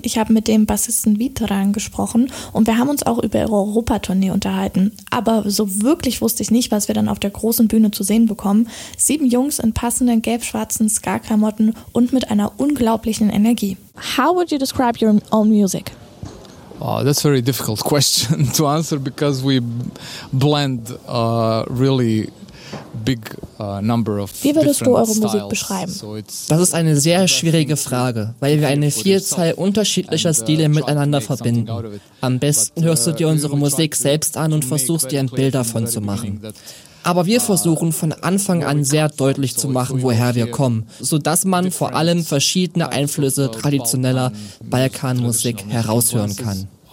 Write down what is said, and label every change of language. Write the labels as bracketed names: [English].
[German] Ich habe mit dem Bassisten Vitran gesprochen und wir haben uns auch über ihre Europatournee unterhalten. Aber so wirklich wusste ich nicht, was wir dann auf der großen Bühne zu sehen bekommen. 7 Jungs in passenden gelb-schwarzen Ska-Klamotten und mit einer unglaublichen Energie. [English] How would you describe your own music? Oh, that's a very difficult question to answer because we blend a really big number of different styles. [German] Wie würdest du eure Musik beschreiben? Das ist eine sehr schwierige Frage, weil wir eine Vielzahl unterschiedlicher Stile miteinander verbinden. Am besten hörst du dir unsere Musik selbst an und versuchst dir ein Bild davon zu machen. Aber wir versuchen von Anfang an sehr deutlich zu machen, woher wir kommen, sodass man vor allem verschiedene Einflüsse traditioneller Balkanmusik heraushören kann.